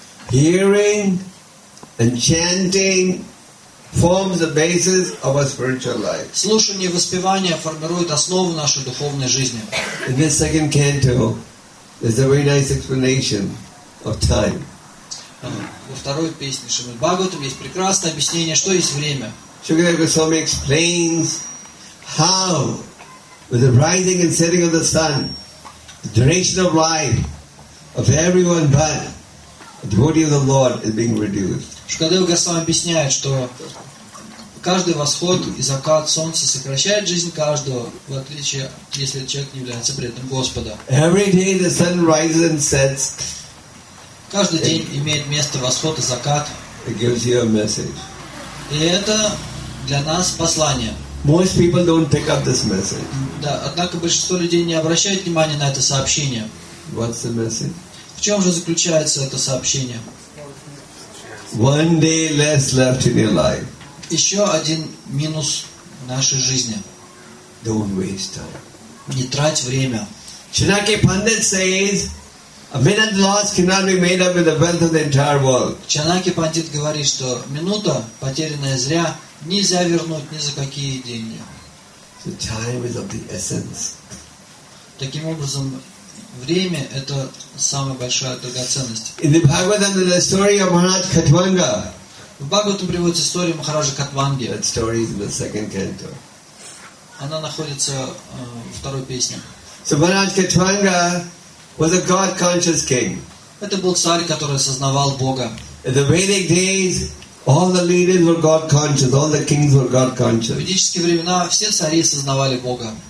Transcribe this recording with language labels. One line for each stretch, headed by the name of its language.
English: Hearing and chanting forms the basis of our spiritual life.
Russian: Слушание и воспевание формирует основу нашей духовной жизни.
English: In this second canto, there's a very nice explanation of time.
Russian: Во второй песне Шримад Бхагаватам есть прекрасное объяснение, что есть время.
English: Shukadeva Goswami explains how, with the rising and setting of the sun, the duration of life of everyone but the body of the Lord is being reduced.
Russian: Шукадева Госвами объясняет, что каждый восход и закат солнца сокращает жизнь каждого, в отличие, если человек не является преданным Господа.
English: Every day the sun rises and sets.
Russian: Каждый день имеет место восход и закат.
English: It gives you a message.
Russian: И это для нас послание.
English: Most people don't pick up this message.
Russian: Да, однако большинство людей не обращают внимания на это сообщение.
English: What's the message?
Russian: В чем же заключается это сообщение?
English: One day less left in your life.
Russian: Еще один минус нашей жизни.
English: Don't waste time.
Russian: Не трать время.
English: Chanakya Pandit says, a minute lost cannot be made up with the wealth of the entire world.
Russian: Chanakya Pandit говорит, что минута, потерянная зря, нельзя вернуть ни за какие деньги.
English: So time is of the essence.
Russian: Таким образом, время — это самая большая драгоценность.
English: In the Bhagavatam, the story of Maharaj Khatvanga.
Russian: В Бхагаватам приводится история Махараджа Катванги.
English: That story is in the second canto.
Russian: Она находится в второй песне.
English: So Maharaj Khatvanga was a God-conscious king.
Russian: Это был царь, который осознавал Бога.
English: In the Vedic days, all the leaders were God-conscious. All the kings were God-conscious.
Russian: В ведические времена все цари осознавали Бога.